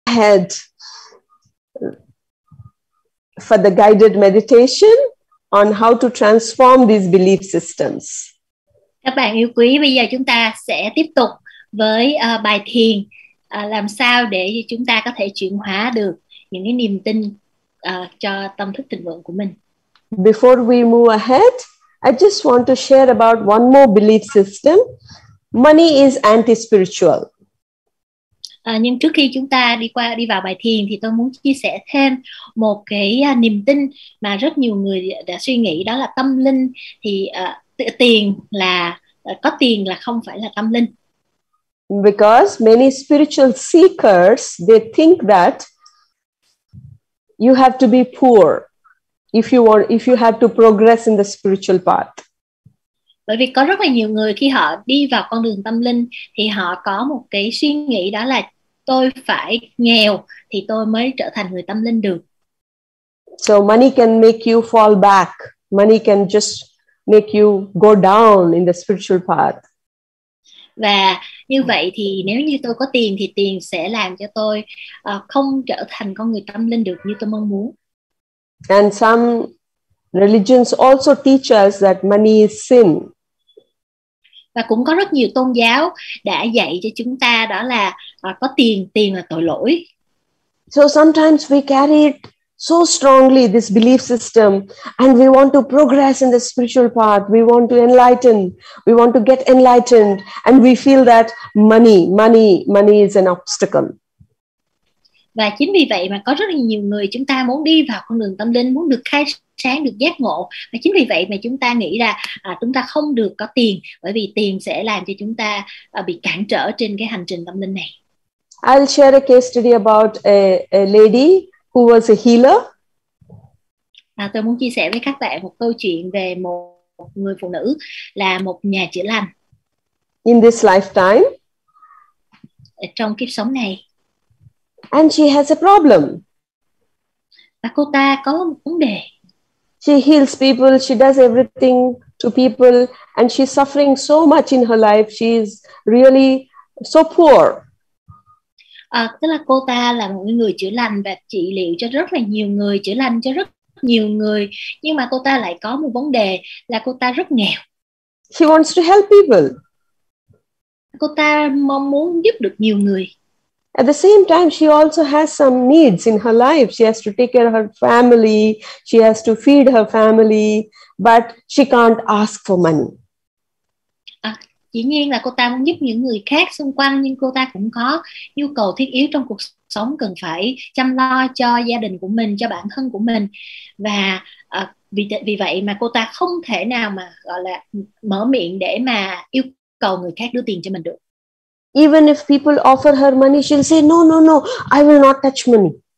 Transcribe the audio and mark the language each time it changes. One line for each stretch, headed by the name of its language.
English: ahead for the guided meditation on how to transform these belief systems.
Vietnamese: Các bạn yêu quý, bây giờ chúng ta sẽ tiếp tục với bài thiền làm sao để chúng ta có thể chuyển hóa được những cái niềm tin cho tâm thức thịnh vượng của mình.
English: Before we move ahead, I just want to share about one more belief system. Money is anti-spiritual.
Vietnamese: Nhưng trước khi chúng ta đi vào bài thiền thì tôi muốn chia sẻ thêm một cái niềm tin mà rất nhiều người đã suy nghĩ, đó là tâm linh thì tiền là có tiền là không phải là tâm linh.
English: Because many spiritual seekers, they think that you have to be poor if you have to progress in the spiritual path.
Vietnamese: Bởi vì có rất là nhiều người khi họ đi vào con đường tâm linh thì họ có một cái suy nghĩ, đó là tôi phải nghèo thì tôi mới trở thành người tâm linh được.
English: So money can make you fall back. Money can just make you go down in the spiritual path.
Vietnamese: Và như vậy thì nếu như tôi có tiền thì tiền sẽ làm cho tôi không trở thành con người tâm linh được như tôi mong muốn.
English: And some religions also teach us that money is sin.
Vietnamese: Và cũng có rất nhiều tôn giáo đã dạy cho chúng ta, đó là có tiền là tội lỗi.
English: So sometimes we carry so strongly this belief system and we want to progress in the spiritual path, we want to enlighten, we want to get enlightened, and we feel that money is an obstacle.
Vietnamese: Và chính vì vậy mà có rất là nhiều người chúng ta muốn đi vào con đường tâm linh, muốn được khai sáng, được giác ngộ. Và chính vì vậy mà chúng ta nghĩ là chúng ta không được có tiền, bởi vì tiền sẽ làm cho chúng ta bị cản trở trên cái hành trình tâm linh này.
English: I'll share a case study about a lady who was a healer.
Vietnamese: Tôi muốn chia sẻ với các bạn một câu chuyện về một người phụ nữ là một nhà chữa lành.
English: In this lifetime.
Vietnamese: Trong kiếp sống này.
English: And she has a problem.
Vietnamese: Và cô ta có một vấn đề.
English: She heals people, she does everything to people, and she's suffering so much in her life. She is really so poor.
Vietnamese: Tức là cô ta là một người chữa lành và trị liệu cho rất là nhiều người, chữa lành cho rất nhiều người, nhưng mà cô ta lại có một vấn đề là cô ta rất nghèo.
English: She wants to help people.
Vietnamese: Cô ta mong muốn giúp được nhiều người.
English: At the same time, she also has some needs in her life. She has to take care of her family. She has to feed her family. But she can't ask for money.
Vietnamese: Dĩ nhiên là cô ta muốn giúp những người khác xung quanh, nhưng cô ta cũng có nhu cầu thiết yếu trong cuộc sống, cần phải chăm lo cho gia đình của mình, cho bản thân của mình. Và vì vậy mà cô ta không thể nào mà gọi là mở miệng để mà yêu cầu người khác đưa tiền cho mình được.
English: Even if people offer her money, she'll say, no, I will not touch money.